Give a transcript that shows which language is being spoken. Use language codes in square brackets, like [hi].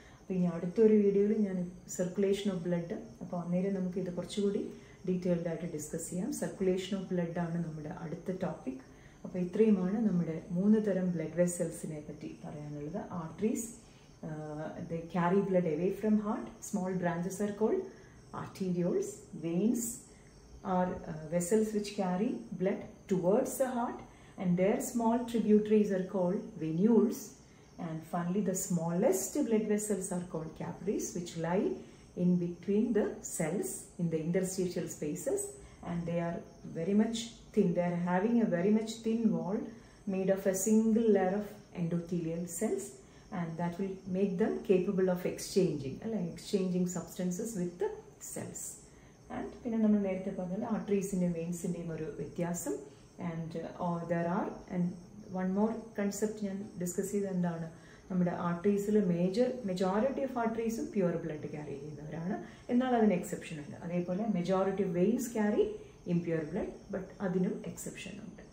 [ml] അപ്പോൾ ഇനി അടുത്തൊരു വീഡിയോയിൽ ഞാൻ സർക്കുലേഷൻ ഓഫ് ബ്ലഡ്, അപ്പോൾ അന്നേരം നമുക്ക് ഇത് കുറച്ചുകൂടി ഡീറ്റെയിൽഡ് ആയിട്ട് ഡിസ്കസ് ചെയ്യാം. സർക്കുലേഷൻ ഓഫ് ബ്ലഡാണ് നമ്മുടെ അടുത്ത ടോപ്പിക്. അപ്പോൾ ഇത്രയുമാണ് നമ്മുടെ മൂന്ന് തരം ബ്ലഡ് വെസൽസിനെ പറ്റി പറയാനുള്ളത്. [en] Arteries the carry blood away from heart, small branches are called arterioles. Veins are vessels which carry blood towards the heart, and their small tributaries are called venules. And finally, the smallest blood vessels are called capillaries, which lie in between the cells in the interstitial spaces, and they are very much thin. They are having a very much thin wall made of a single layer of endothelial cells, and that will make them capable of exchanging substances with the cells. [ml] And പിന്നെ നമ്മൾ നേരത്തെ പറഞ്ഞാൽ ആർട്ടറീസിൻ്റെയും വെയിൻസിൻ്റെയും ഒരു വ്യത്യാസം. [en] and there are and one more concept [ml] ഞാൻ discuss ചെയ്ത എന്താണ്, നമ്മുടെ ആർട്ടറീസിൽ [en] majority of ആർട്ടറീസും pure blood carry [ml] ചെയ്യുന്നവരാണ്, എന്നാൽ അതിന് എക്സെപ്ഷൻ ഉണ്ട്. അതേപോലെ [en] majority of veins carry impure blood, but [ml] അതിനും എക്സെപ്ഷൻ ഉണ്ട്.